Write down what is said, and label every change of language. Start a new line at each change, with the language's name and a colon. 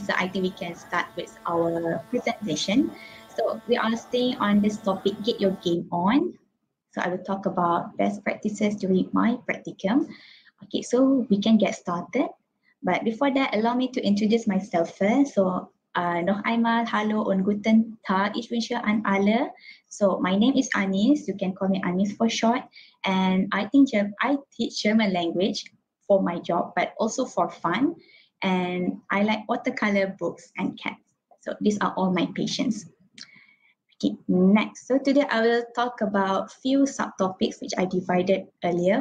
English: So I think we can start with our presentation. So we are staying on this topic, get your game on. So I will talk about best practices during my practicum. Okay, so we can get started. But before that, allow me to introduce myself first.
German: So noch einmal, hallo und guten Tag, ich wünsche an alle.
English: So my name is Anis, you can call me Anis for short. And I teach German language for my job, but also for fun. And I like watercolor books and cats. So these are all my passions. Okay, next. So today I will talk about few subtopics which I divided earlier.